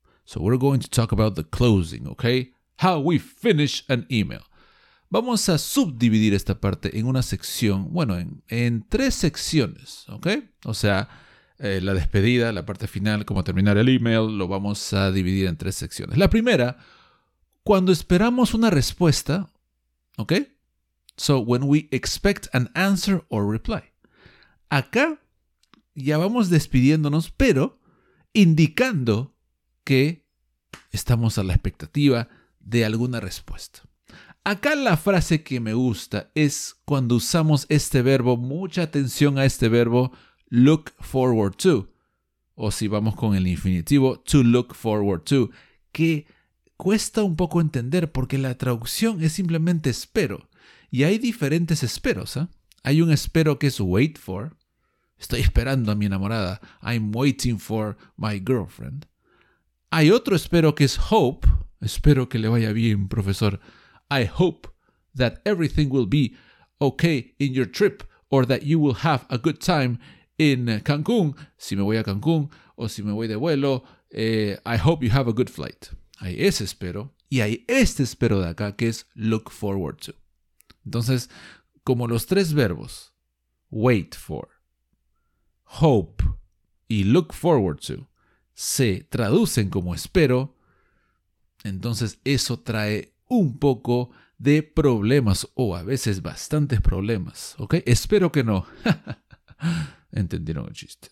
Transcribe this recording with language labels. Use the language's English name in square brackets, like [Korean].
[English] So, we're going to talk about the closing, ok? How we finish an email. [Spanish] Vamos a subdividir esta parte en una sección, bueno, en tres secciones, ¿ok? O sea, la despedida, la parte final, cómo terminar el email, lo vamos a dividir en tres secciones. La primera, cuando esperamos una respuesta, ¿ok? [English] So, when we expect an answer or reply. [Spanish] Acá ya vamos despidiéndonos, pero indicando que estamos a la expectativa de alguna respuesta. Acá la frase que me gusta es cuando usamos este verbo, mucha atención a este verbo, look forward to. O si vamos con el infinitivo, to look forward to. Que cuesta un poco entender porque la traducción es simplemente espero. Y hay diferentes esperos. ¿Eh? Hay un espero que es wait for. Estoy esperando a mi enamorada. [English] I'm waiting for my girlfriend. [Spanish] Hay otro espero que es hope. Espero que le vaya bien, profesor. [English] I hope that everything will be okay in your trip or that you will have a good time in Cancún. [Spanish] Si me voy a Cancún o si me voy de vuelo, [English] I hope you have a good flight. [Spanish] Hay ese espero y hay este espero de acá que es look forward to. Entonces, como los tres verbos, wait for, hope y look forward to, se traducen como espero, entonces eso trae un poco de problemas o a veces bastantes problemas, ¿ok? Espero que no. Entendieron el chiste.